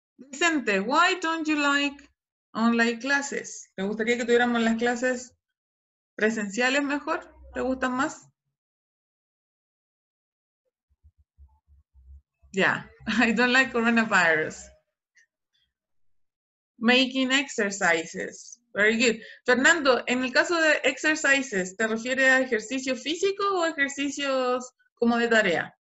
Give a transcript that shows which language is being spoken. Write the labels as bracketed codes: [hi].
[en] Vicente, why don't you like online classes? [es] ¿Te gustaría que tuviéramos las clases presenciales mejor? ¿Te gustan más? [en] Yeah, I don't like coronavirus. Making exercises. Very good. [es] Fernando, en el caso de exercises, ¿te refieres a ejercicio físico o ejercicios como de tarea?